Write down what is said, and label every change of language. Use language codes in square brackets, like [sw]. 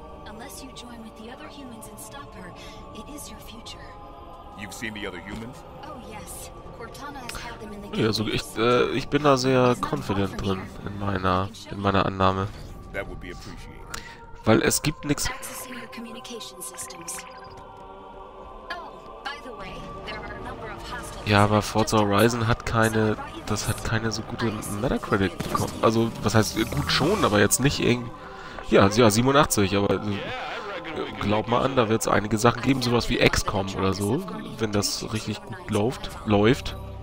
[en] Unless you join with the other humans and stop her, it is your future. You've seen the other humans? Oh yes. Cortana has had them in the game. [de] Ja, also ich bin da sehr confident drin in meiner Annahme. [en] That would be appreciated. [de] Weil es gibt nichts. [en] Oh, by the way, there are a number of hostiles. [de] Ja, aber Forza Horizon hat keine. Das hat keine so gute Metacritic bekommen. Also, was heißt gut schon, aber jetzt nicht irgend. Ja, ja, 87, aber. Glaub mal an, da wird es einige Sachen geben, sowas wie XCOM oder so, wenn das richtig gut läuft.